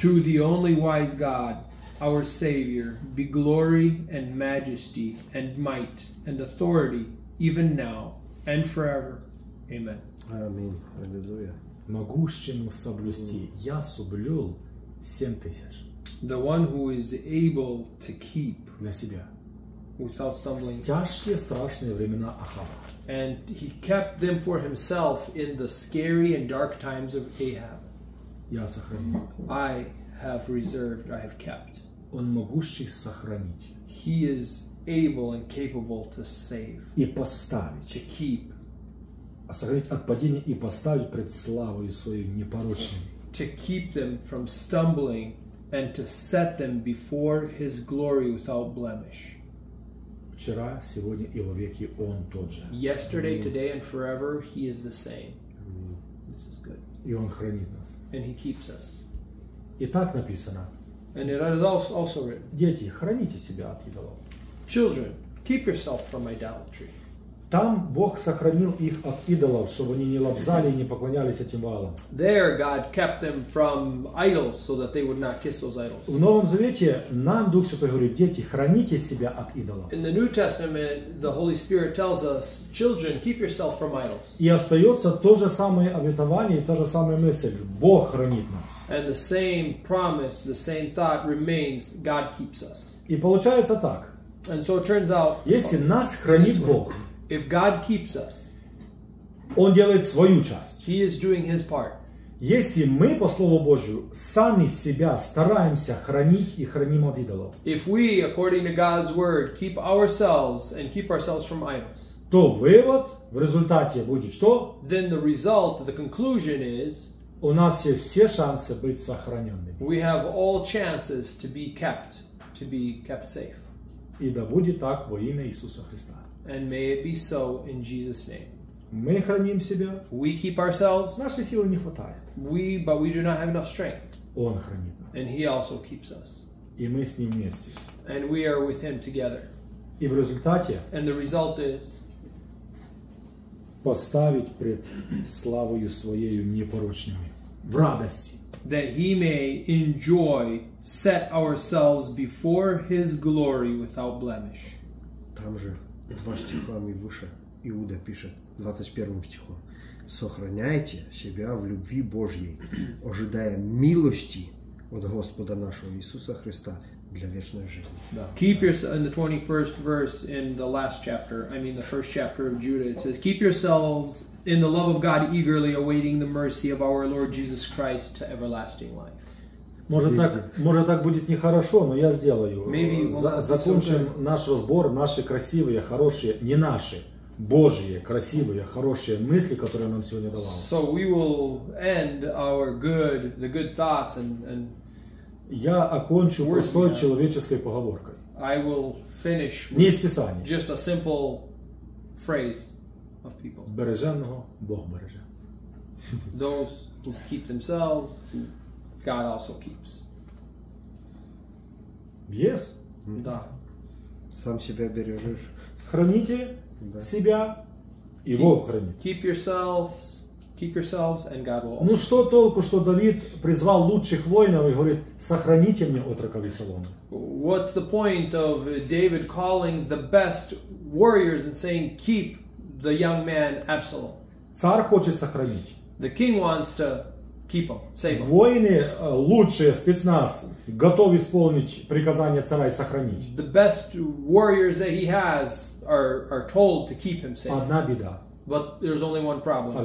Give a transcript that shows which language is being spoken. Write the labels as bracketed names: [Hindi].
[English] To the only wise God, our Savior, be glory and majesty and might and authority, even now and forever. Amen. Amen. Alleluia. [Russian] Могущему соблюсти, я соблюл 7000. [English] The one who is able to keep [Russian] для себя [English] without stumbling. [Russian] Тяжкие, страшные времена Ахава. [English] And he kept them for himself in the scary and dark times of Ahab. [Russian] Я сохранил. [English] I have reserved, I have kept. [Russian] Он могущий сохранить. [English] He is able and capable to save. [Russian] И поставить. [English] To keep. [Russian] А сохранить от падения и поставить пред славою своей непорочной. [English] To keep them from stumbling and to set them before his glory without blemish. [Russian] Вчера, сегодня и вовеки он тот же. [English] Yesterday, today and forever he is the same. [Russian] И Он хранит нас. [English] And He keeps us. [Russian] И так написано. [English] And it is also written. [Russian] Дети, храните себя от идолов. [English] Children, keep yourself from idolatry. [Russian] Там Бог сохранил их от идолов, чтобы они не лобзали и не поклонялись этим валам. [English] There God kept them from idols so that they would not kiss those idols. [Russian] В Новом Завете нам Дух Святой говорит: дети, храните себя от идолов. [English] In the New Testament, the Holy Spirit tells us, children, keep yourself from idols. [Russian] И остается то же самое обетование, та же самая мысль: Бог хранит нас. [English] And the same promise, the same thought remains, God keeps us. [Russian] И получается так. [English] And so it turns out, [Russian] если нас хранит Бог, [English] if God keeps us, [Russian] Он делает свою часть. [English] He is doing His part. [Russian] Если мы, по Слову Божию, сами себя стараемся хранить и храним от идолов, [English] if we, according to God's word, keep ourselves and keep ourselves from idols, [Russian] то вывод в результате будет что? [English] Then the result, the conclusion is, [Russian] у нас есть все шансы быть сохраненными. [English] We have all chances to be kept safe. [Russian] И да будет так во имя Иисуса Христа. [English] And may it be so in Jesus' name. [Russian] Мы храним себя. [English] We keep ourselves. [Russian] Нашей силы не хватает. [English] But we do not have enough strength. [Russian] Он хранит нас. [English] And He also keeps us. [Russian] И мы с Ним вместе. [English] And we are with Him together. [Russian] И в результате. [English] And the result is. [Russian] Поставить пред славою Своею непорочными. В радости. [English] That He may enjoy, set ourselves before His glory without blemish. [Russian] Там же. Два стихами выше Иуда пишет, 21 стихом. Сохраняйте себя в любви Божьей, ожидая милости от Господа нашего Иисуса Христа для вечной жизни. [English] Keep yourself, in the 21st verse in the last chapter, I mean the first chapter of Judah, it says, keep yourselves in the love of God eagerly awaiting the mercy of our Lord Jesus Christ to everlasting life. [Russian] Может так будет нехорошо, но я сделаю. Закончим наш разбор, наши красивые, хорошие, не наши, Божьи, красивые, хорошие мысли, которые нам сегодня давал. [English] So we will end our good, the good thoughts and [Russian] я окончу простой человеческой поговоркой. [English] I will finish [Russian] не из Писания. [English] Just a simple phrase of people. Береженого Бог береже. Those who keep themselves, God also keeps. Yes. [Russian] Да. Сам себя бережешь. Храните себя, и Бог хранит. [English] Keep yourselves, and God will. [Russian] Ну что толку, что Давид призвал лучших воинов и говорит: сохраните мне отрока Авесалома. [English] What's the point of David calling the best warriors and saying, keep the young man Absalom? [Russian] Царь хочет сохранить. [English] The king wants to keep him, save him. [Russian] Воины, лучшие спецназ, готов исполнить приказание царя и сохранить. [English] The best warriors that he has are told to keep him safe. [Russian] Одна беда. [English] But there's only one problem.